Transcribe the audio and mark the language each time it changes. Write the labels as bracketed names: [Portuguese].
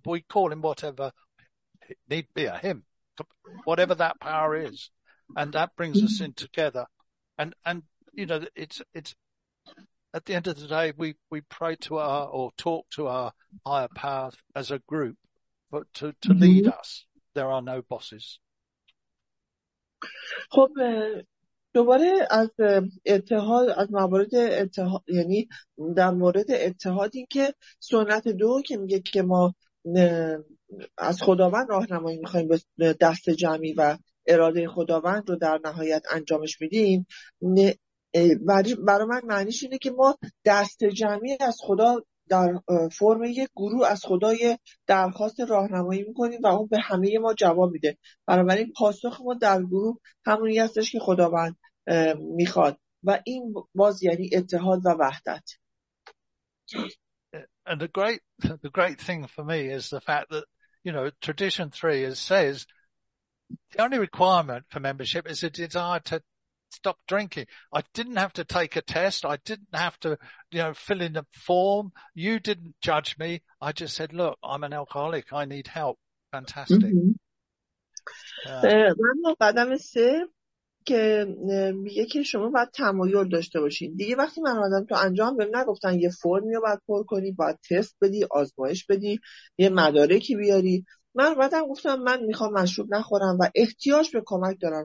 [English] We call him whatever need be, a him, whatever that power is. And that brings us in together. And you know, it's at the end of the day, we pray to our or talk to our higher power as a group, but to lead us. There are no bosses. [Persian] خب دوباره از اتحاد، از موارد اتحاد، یعنی در مورد اتحادی که سنت دو که میگه که ما از خداوند راهنمایی میخوایم به دست جمعی و اراده خداوند رو در نهایت انجامش میدیم، برای من معنیش اینه که ما دست جمعی از خدا در فرم یک گروه از خدای درخواست راهنمایی میکنیم و اون به همه ما جواب میده. برای این پاسخ ما در گروه همونی هستش که خداوند میخواد، و این باز یعنی اتحاد و وحدت. [English] And the great thing for me is the fact that, you know, tradition 3 says the only requirement for membership is a desire to stop drinking. I didn't have to take a test. I didn't have to, you know, fill in a form. You didn't judge me. I just said, look, I'm an alcoholic. I need help. Fantastic. [Persian] اما قدم سه که میگه که شما باید تمایل داشته باشین. دیگه وقتی من آمدم تو انجام بهم نگفتن یه فرمی رو باید پر کنی، باید تست بدی، آزمایش بدی، یه مدارکی بیاری. من بعدم گفتم من میخوام مشروب نخورم و احتیاج به کمک دارم.